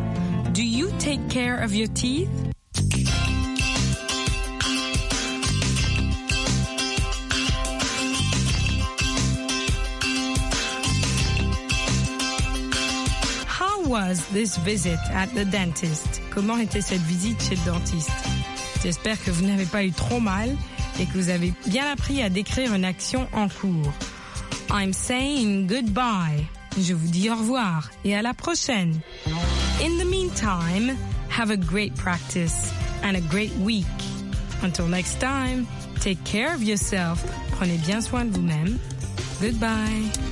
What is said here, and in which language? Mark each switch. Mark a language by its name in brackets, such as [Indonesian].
[English] « Do you take care of your teeth? » How was this visit at the dentist? [French] Comment était cette visite chez le dentiste? J'espère que vous n'avez pas eu trop mal et que vous avez bien appris à décrire une action en cours. [English] I'm saying goodbye. [French] Je vous dis au revoir et à la prochaine. [English] In the meantime, have a great practice and a great week. Until next time, take care of yourself. [French] Prenez bien soin de vous-même. [English] Goodbye.